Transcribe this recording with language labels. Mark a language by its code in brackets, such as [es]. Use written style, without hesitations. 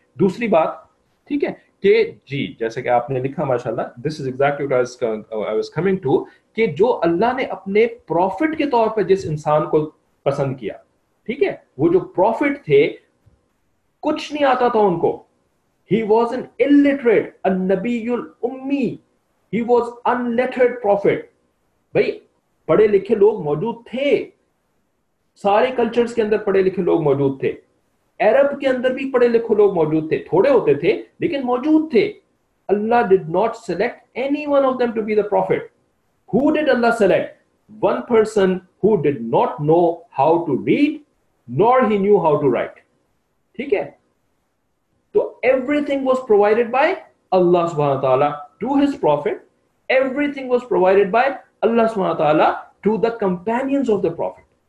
[ur] دوسری بات, ٹھیک ہے, کہ جی جیسے کہ آپ نے لکھا ماشاء اللہ, [en] this is exactly what I was coming to, [ur] کہ جو اللہ نے اپنے پروفٹ کے طور پر جس انسان کو پسند کیا, ٹھیک ہے, وہ جو پروفٹ تھے کچھ نہیں آتا تھا ان کو, [en] he was an illiterate, [ur] un-Nabi الامی, [en] He was unlettered prophet. [ur] بھائی پڑھے لکھے لوگ موجود تھے, سارے کلچرز کے اندر پڑھے لکھے لوگ موجود تھے, عرب کے اندر بھی پڑھے لکھے لوگ موجود تھے, تھوڑے ہوتے تھے لیکن موجود تھے. [en] Allah did not select any one of them to be the prophet. Who did Allah select? One person who did not know how to read nor he knew how to write. [ur] ٹھیک ہے, تو [en] everything was provided by Allah subhanahu wa ta'ala to his prophet, everything was provided by Allah subhanahu wa ta'ala to the companions of the prophet.